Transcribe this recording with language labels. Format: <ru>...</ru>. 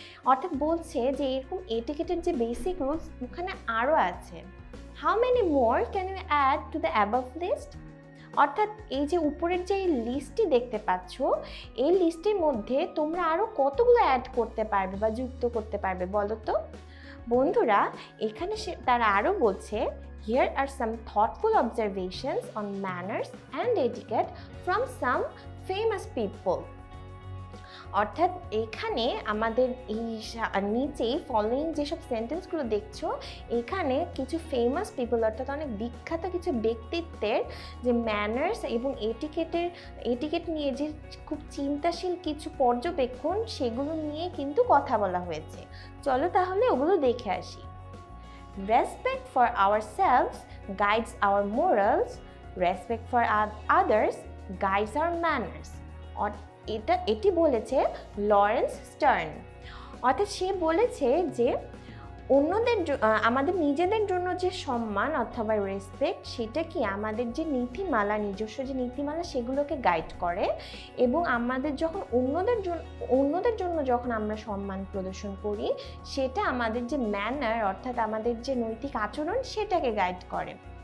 <bn>অর্থাৎ বলছে যে এরকম এটিকেটের যে বেসিক রুলস ওখানে আরও আছে।</bn> <en>how many more can you add to the above list,</en> <bn>অর্থাৎ এই যে উপরের যে লিস্টটি দেখতে পাচ্ছ এই লিস্টের মধ্যে তোমরা আরও কতগুলো অ্যাড করতে পারবে বা যুক্ত করতে পারবে বলো তো। বন্ধুরা এখানে সে তারা আরও বলছে,</bn> <en>Here are some thoughtful observations on manners and etiquette from some famous people.</en> <bn>অর্থাৎ এখানে আমাদের এই নিচেই ফলোয়িং যেসব সেন্টেন্সগুলো দেখছো এখানে কিছু ফেমাস পিপল অর্থাৎ অনেক বিখ্যাত কিছু ব্যক্তিত্বের যে ম্যানার্স এবং এটিকেটের এটিকেট নিয়ে যে খুব চিন্তাশীল কিছু পর্যবেক্ষণ সেগুলো নিয়ে কিন্তু কথা বলা হয়েছে। চলো তাহলে ওগুলো দেখে আসি।</bn> <en>Respect for ourselves guides our morals, respect for others guides our manners.</en> <bn>এটি বলেছে লরেন্স স্টার্ন, অর্থাৎ সে বলেছে যে অন্যদের আমাদের নিজেদের জন্য যে সম্মান অথবা রেসপেক্ট সেটা কি আমাদের যে নীতিমালা নিজস্ব যে নীতিমালা সেগুলোকে গাইড করে এবং আমাদের যখন অন্যদের জন্য যখন আমরা সম্মান প্রদর্শন করি সেটা আমাদের যে ম্যানার অর্থাৎ আমাদের যে নৈতিক আচরণ সেটাকে গাইড করে।</bn>